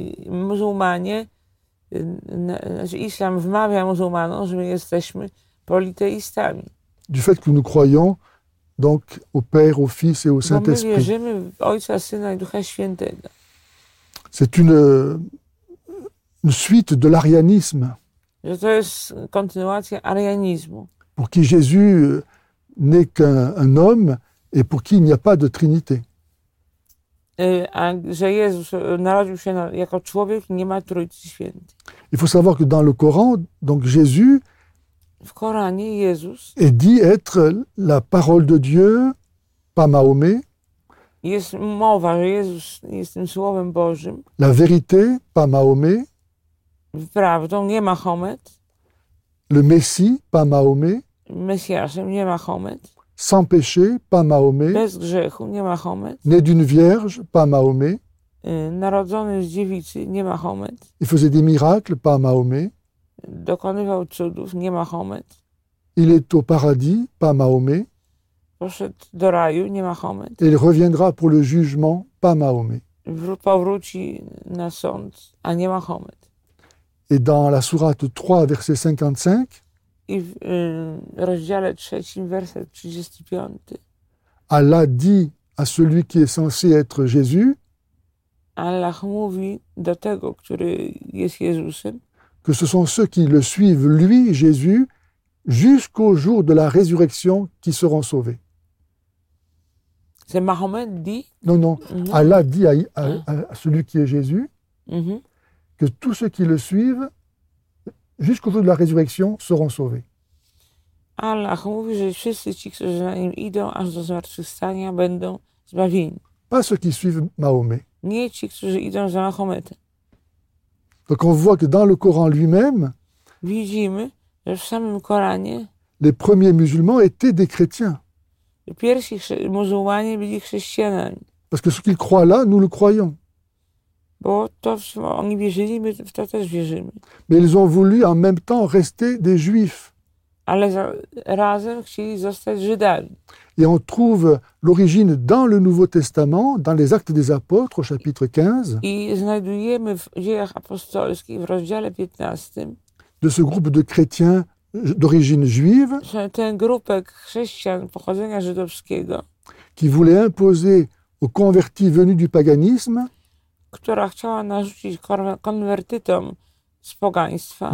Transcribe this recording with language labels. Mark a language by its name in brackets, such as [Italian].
[Polish] Muzułmanie, znaczy islam wmawia muzułmanom, że my jesteśmy polityistami. [French] Du fait que nous croyons donc au Père, au Fils et au Saint-Esprit. [Polish] Bo my wierzymy w Ojca, Syna i Ducha Świętego. [French] C'est une suite de l'arianisme. [Polish] Że to jest kontynuacja arianizmu. [French] Pour qui Jésus n'est qu'un homme et pour qui il n'y a pas de Trinité. [Polish] A że Jezus narodził się jako człowiek i nie ma Trójcy Świętej. [French] Il faut savoir que dans le Coran, donc Jésus [Polish] w Koranie Jezus [French] est dit être la parole de Dieu, pas Mahomet. [Polish] Jest mowa, że Jezus jest tym Słowem Bożym. [French] La vérité, pas Mahomet. [Polish] Prawdą, nie Mahomet. [French] Le Messie, pas Mahomet. [Polish] Mesjaszem, nie Mahomet. [French] Sans péché, pas Mahomet. [Polish] Bez grzechu, nie Mahomet. [French] Né d'une vierge, pas Mahomet. [Polish] Narodzony z dziewicy, nie Mahomet. [French] Il faisait des miracles, pas Mahomet. [Polish] Dokonywał cudów, nie Mahomet. [French] Il est au paradis, pas Mahomet. [Polish] Poszedł do raju, nie Mahomet. [French] Il reviendra pour le jugement, pas Mahomet. [Polish] Powróci na sąd, a nie Mahomet. [French] Et dans la sourate 3, verset 55, [Polish] i w rozdziale trzecim, werset 35. [French] Allah dit à celui qui est censé être Jésus, [Polish] Allah mówi do tego, który jest Jezusem, [French] que ce sont ceux qui le suivent, lui, Jésus, jusqu'au jour de la résurrection qui seront sauvés. C'est Mahomet dit? Non, non. Mm-hmm. Allah dit à celui qui est Jésus, mm-hmm, que tous ceux qui le suivent, jusqu'au jour de la résurrection, seront sauvés. [Polish] Allah mówi, że wszyscy ci, którzy za nim idą, aż do zmartwychwstania, będą zbawieni. [French] Pas ceux qui suivent Mahomet. [Polish] Nie ci, którzy idą za Mahometem. [French] Donc on voit que dans le Coran lui-même, [Polish] widzimy, że w samym Koranie, [French] les premiers musulmans étaient des chrétiens. [Polish] Pierwsi muzułmanie byli chrześcijanami. [French] Parce que ce qu'ils croient là, nous le croyons. [Polish] Bo to, co oni wierzyli, my w to też wierzymy. [French] Mais ils ont voulu en même temps rester des juifs. [Polish] Ale razem chcieli zostać Żydami. [French] Et on trouve l'origine dans le Nouveau Testament, dans les Actes des Apôtres, au chapitre 15. [Polish] I znajdujemy w Dziejach Apostolskich, w rozdziale 15. [French] De ce groupe de chrétiens d'origine juive. [Polish] Że tę grupę chrześcijan pochodzenia żydowskiego. [French] Qui voulait imposer aux convertis venus du paganisme. [Polish] Która chciała narzucić konwertytom z pogaństwa.